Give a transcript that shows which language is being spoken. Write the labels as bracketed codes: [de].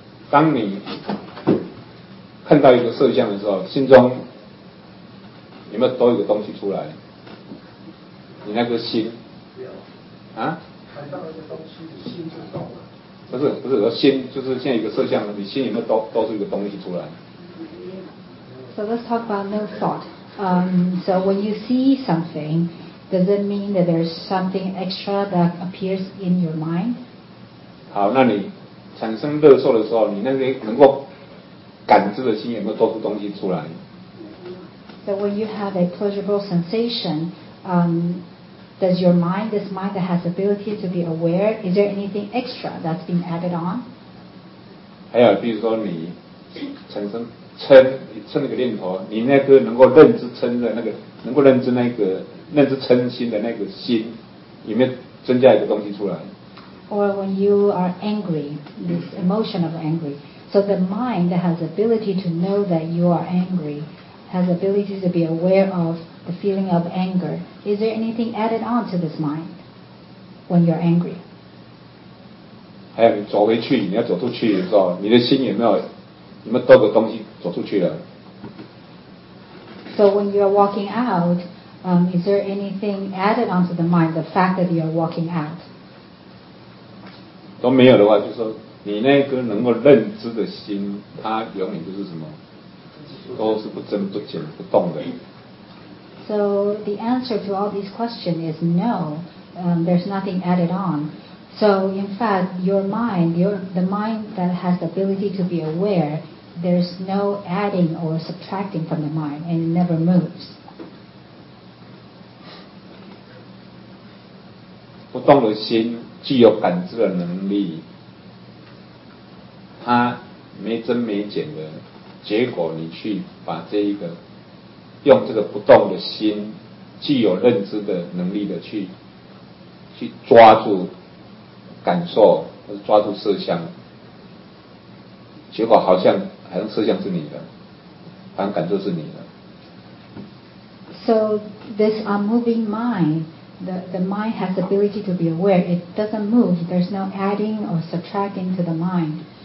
[zh] 当你看到一个色相的时候，心中有没有多一个东西出来？你那个心，啊？看到那个东西，你心就动了。不是，说心就是现在一个色相，你心有没有多出一个东西出来 [en] ？So let's talk about no thought. So when you see something, does it mean that there's something extra that appears in your mind? [zh] 好，那你产生乐受的时候，你那个能够感知的心有没有多出东西出来？ [en] So when you have a pleasurable sensation, does your mind, this mind that has the ability to be aware, is there anything extra that's being added on? [zh] 还有比如说你产生嗔，你嗔那个念头，你那个能够认知嗔的那个，能够认知那个，认知嗔心的那个心，有没有增加一个东西出来？ [en] Or when you are angry, this emotion of angry, so the mind that has the ability to know that you are angry,has ability to be aware of the feeling of anger. Is there anything added on to this mind when you're angry? [zh] 还有你走回去，你要走出去的时候，你的心有没有多个东西走出去了？ [en] So when you're walking out, is there anything added on to the mind, the fact that you're walking out? [zh] 都没有的话，就是说你那个能够认知的心，它永远就是什么？都是不增不减不动的。 [en] So the answer to all these questions is no. There's nothing added on. So in fact, your mind, the mind that has the ability to be aware, there's no adding or subtracting from the mind, and it never moves. [zh] 不动的心具有感知的能力，它没增没减的。结果你去把这一个用这个不动的心，既有认知的能力的去去抓住感受，或是抓住色相，结果好像色相是你的，好像感受是你的。 [en] So this unmoving mind, the mind has the ability to be aware. It doesn't move. There's no adding or subtracting to the mind.